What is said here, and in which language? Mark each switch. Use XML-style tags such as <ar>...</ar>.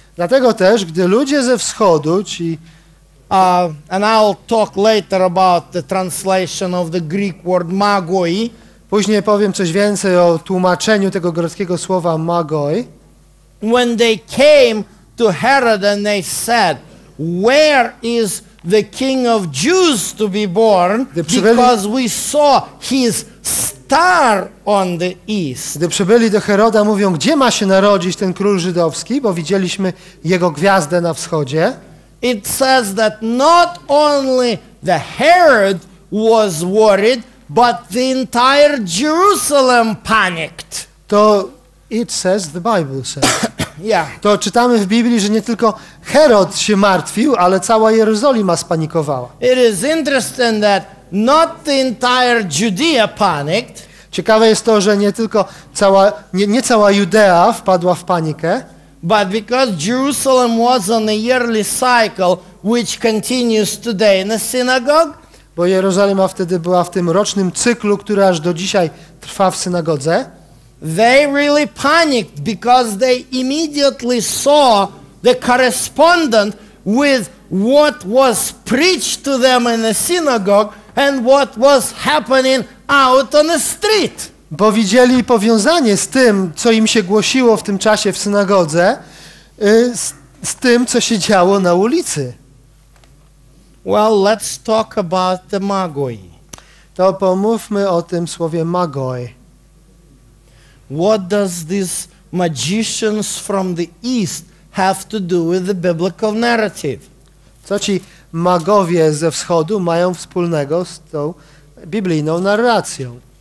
<pl>dlatego też, gdy ludzie ze wschodu, ci</pl> <en>And I'll talk later about the translation of the Greek word magoi.</en> <pl>Później powiem coś więcej o tłumaczeniu tego greckiego słowa magoi.</pl> <en>When they came to Herod and they said, "Where is the king of Jews to be born? Because we saw his star on the east."</en> <pl>Gdy przybyli do Heroda, mówią, gdzie ma się narodzić ten król żydowski, bo widzieliśmy jego gwiazdę na wschodzie.</pl> <en>It says that not only the Herod was worried, but the entire Jerusalem panicked. To it says, the Bible says. Yeah.</en> <pl>To czytamy w Biblii, że nie tylko Herod się martwił, ale cała Jerozolima spanikowała.</pl> <en>It is interesting that not the entire Judea panicked.</en> <pl>Ciekawe jest to, że nie tylko cała Judea wpadła w panikę.</pl> <en>But because Jerusalem was on a yearly cycle, which continues today in the synagogue.</en> <pl>Bo Jerozolima wtedy była w tym rocznym cyklu, który aż do dzisiaj trwa w synagodze.</pl> <en>They really panicked because they immediately saw the correspondent with what was preached to them in the synagogue and what was happening out on the street.</en> <pl>Bo widzieli powiązanie z tym, co im się głosiło w tym czasie w synagodze, z tym, co się działo na ulicy.</pl> <en>Well, let's talk about the magoi.</en> <pl>To pomówmy o tym słowie magoi.</pl> <en>What does this magicians from the east have to do with the biblical narrative?</en> <pl>Co ci magowie ze wschodu mają wspólnego z tą biblijną narracją?</pl>